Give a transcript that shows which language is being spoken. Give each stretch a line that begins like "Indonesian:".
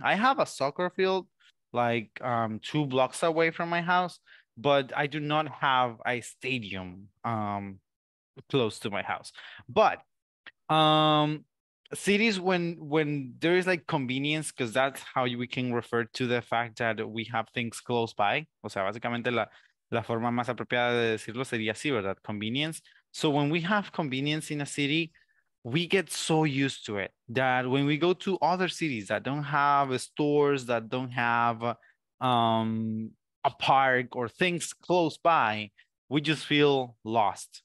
English: I have a soccer field like two blocks away from my house, but I do not have a stadium close to my house. But cities, when there is like convenience, because that's how we can refer to the fact that we have things close by.
Spanish: O sea, básicamente la forma más apropiada de decirlo sería así, ¿verdad?
English: Convenience. So when we have convenience in a city, we get so used to it that when we go to other cities that don't have stores, that don't have a park or things close by, we just feel lost.